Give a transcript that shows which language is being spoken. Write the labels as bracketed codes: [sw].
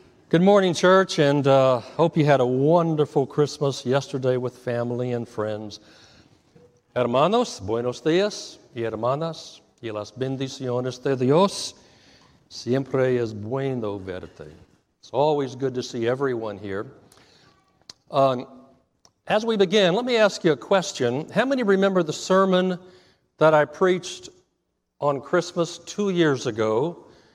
[en] Good morning, church, and hope you had a wonderful Christmas yesterday with family and friends. [es] Hermanos, buenos días y hermanas y las bendiciones de Dios. Siempre es bueno verte. [en] It's always good to see everyone here. As we begin, let me ask you a question. How many remember the sermon that I preached on Christmas 2 years ago?